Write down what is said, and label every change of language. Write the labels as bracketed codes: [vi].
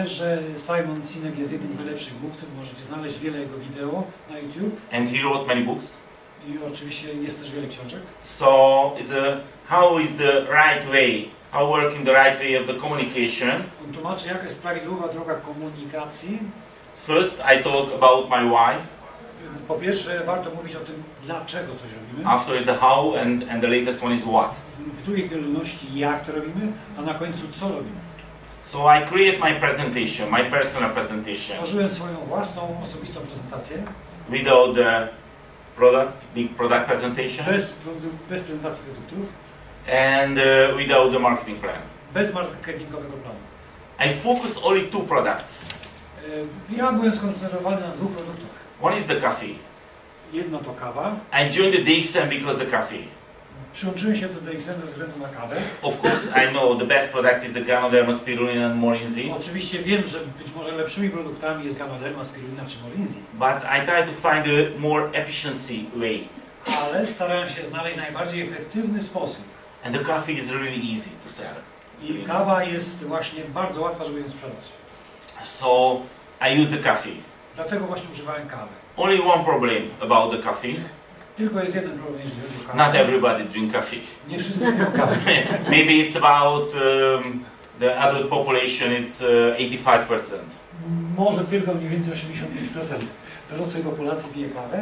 [pl] Myślę, że Simon Sinek jest jednym z najlepszych mówców. Możecie znaleźć wiele jego wideo na YouTube. [en] And he wrote many books. [pl] I oczywiście jest też wiele książek. [en] So how is the right way? How work in the right way of the communication? [pl] On tłumaczy, jaka jest prawidłowa droga komunikacji. [en] First, I talk about my why. [pl] po pierwsze warto mówić o tym, dlaczego coś robimy. [en] After is the how and the latest one is what. [pl] W drugiej kolejności jak to robimy, a na końcu co robimy. [en] So I create my presentation, my personal presentation. [pl] Stworzyłem swoją własną osobistą prezentację. [en] Without the product, big product presentation. [pl] Bez prezentacji produktów. [en] And without the marketing plan. [pl] Bez marketingowego planu. [en] I focus only two products. [pl] Ja byłem skoncentrowany na dwóch produktach. [en] One is the coffee. [pl] Jedno to kawa. [en] I joined the DXM because the coffee. [pl] Przyłączyłem się do DXM ze względu na kawę. [en] Of course, I know the best product is the Ganoderma spirulina and Morinzi. [pl] Oczywiście wiem, że być może lepszymi produktami jest Ganoderma spirulina czy Morinzi. [en] But I try to find a more efficiency way. [pl] Ale starałem się znaleźć najbardziej efektywny sposób. [en] And the coffee is really easy to sell. [pl] I kawa jest właśnie bardzo łatwa, żeby ją sprzedać. [en] So I use the coffee. [pl] Dlatego właśnie używałem kawy. [en] Only one problem about the coffee. [pl] Tylko jest jeden problem, jeśli chodzi o kawę. [en] Not everybody drink coffee. [pl] Nie wszyscy piją kawę. [en] Maybe it's about the adult population, it's 85%. [pl] Może tylko mniej więcej 85% dorosłej populacji pije kawę.